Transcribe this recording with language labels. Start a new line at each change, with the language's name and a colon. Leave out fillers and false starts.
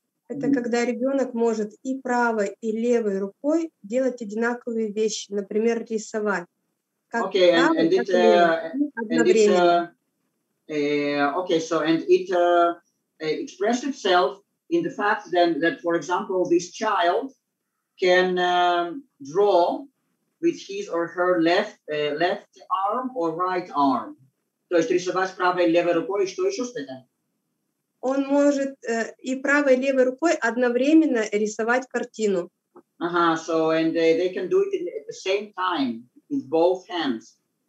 Russian: Это когда ребенок может и правой, и левой рукой делать одинаковые вещи, например, рисовать. Как
English: okay,
Russian: правой,
English: and it,
Russian: одновременно.
English: Okay, so and it expressed itself in the fact then that, for example, this child can draw with his or her left arm or right arm.
Russian: То есть рисовать правой и левой рукой, и что еще это? Он может и правой и левой рукой одновременно рисовать картину.
English: Ага, so and they can do it at the same time with both hands.